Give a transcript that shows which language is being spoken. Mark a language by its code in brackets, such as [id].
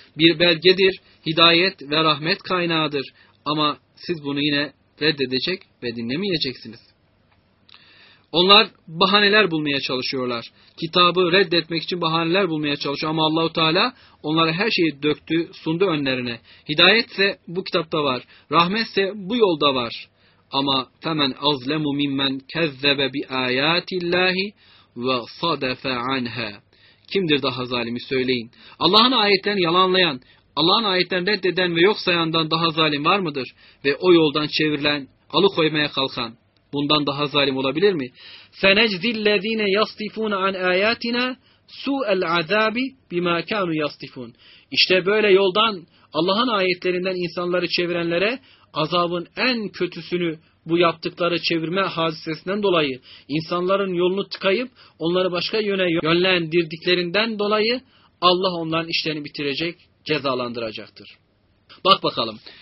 [tr] Bir belgedir, hidayet ve rahmet kaynağıdır. Ama siz bunu yine reddedecek ve dinlemeyeceksiniz. Onlar bahaneler bulmaya çalışıyorlar. Kitabı reddetmek için bahaneler bulmaya çalışıyor. Ama Allah-u Teala onlara her şeyi döktü, sundu önlerine. Hidayetse bu kitapta var. Rahmetse bu yolda var. Ama [ar] فَمَنْ أَظْلَمُ مِمَّنْ كَذَّبَ بِآيَاتِ اللّٰهِ وَصَدَفَ عَنْهَا [tr] Kimdir daha zalimi söyleyin. Allah'ın ayetlerini yalanlayan, Allah'ın ayetlerini reddeden ve yok sayandan daha zalim var mıdır? Ve o yoldan çevrilen, alıkoymaya kalkan. Bundan daha zalim olabilir mi? [ar] فَنَجْزِ الَّذ۪ينَ يَصْطِفُونَ عَنْ آيَاتِنَا سُوَ الْعَذَابِ بِمَا كَانُوا يَصْطِفُونَ [tr] İşte böyle yoldan Allah'ın ayetlerinden insanları çevirenlere azabın en kötüsünü bu yaptıkları çevirme hadisesinden dolayı insanların yolunu tıkayıp onları başka yöne yönlendirdiklerinden dolayı Allah onların işlerini bitirecek, cezalandıracaktır. Bak bakalım.